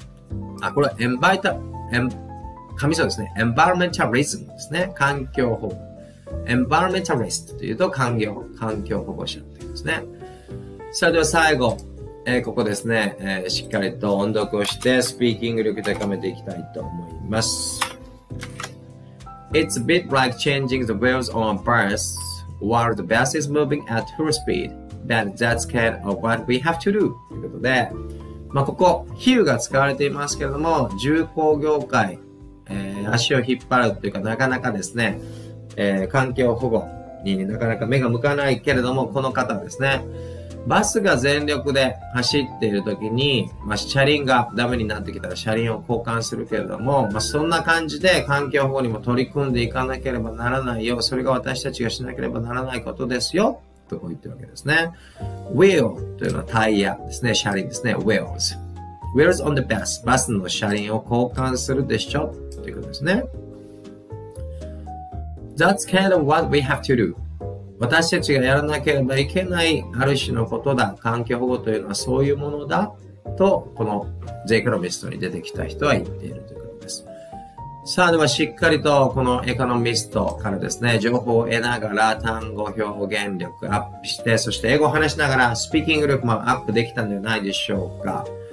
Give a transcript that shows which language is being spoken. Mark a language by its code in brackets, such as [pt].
[ja] 護。あ、これはエンバロメンタリズムですね、環境保護。エンバロメンタリストというと環境保護者って言うんですね。さあでは最後。ここですね、しっかりと音読をしてスピーキング力高めていきたいと思います。 [en] It's a bit like changing the wheels on a bus while the bus is moving at full speed, but that's kind of what we have to do [ja] ということで、まあ、ここ比喩が使われていますけれども、重工業界、足を引っ張るというか、なかなかですね、環境保護になかなか目が向かないけれども、この方ですね、バスが全力で走っている時に、まあ、車輪がダメになってきたら車輪を交換するけれども、まあ、そんな感じで環境保護にも取り組んでいかなければならないよ、それが私たちがしなければならないことですよ、とこう言ってるわけですね。 Wheel というのはタイヤですね、車輪ですね。 [en] Wheels Wheels on the bus、 [ja] バスの車輪を交換するでしょ、ということですね。 [en] That's kind of what we have to do。 [ja] 私たちがやらなければいけないある種のことだ、環境保護というのはそういうものだと、このゼクロミストに出てきた人は言っているということです。さあ、ではしっかりとこのエコノミストからですね、情報を得ながら単語表現力アップして、そして英語を話しながらスピーキング力もアップできたんではないでしょうか。